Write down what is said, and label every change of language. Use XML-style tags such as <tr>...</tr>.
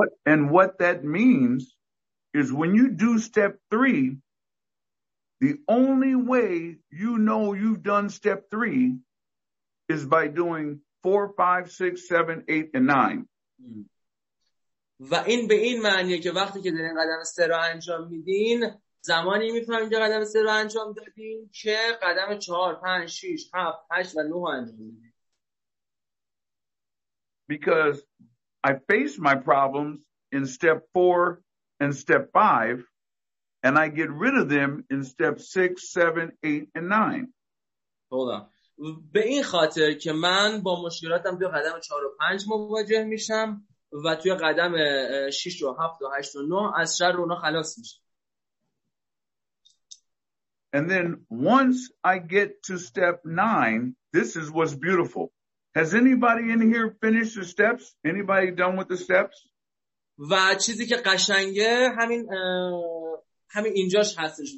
<en>And what that means is when you do step 3, The only way you know you've done step three is by doing 4, 5, 6, 7, 8, and 9.</en> <fa>و این به این معنیه که وقتی که دارین قدم سه رو انجام میدین، زمانی میفهمین که قدم سه رو انجام دادین که قدم 4, 5, 6, 7, 8,</fa> <en>and</en> <fa>9 انجام میدین.</fa> <en>Because I face my problems in step 4 and step 5 and I get rid of them in step 6, 7, 8, and 9. Hold on.</en> <fa>به این خاطر که من با مشکلاتم دو قدم 4 و 5 مواجه میشم و توی قدم 6 و 7 و 8 و 9 از شر اونها خلاص میشم.</fa> <en>And then once I get to step 9, this is what's beautiful. Has anybody in here finished the steps? Anybody done with the steps?</en> <fa>و چیزی که قشنگه همین اینجاش هستش.</fa>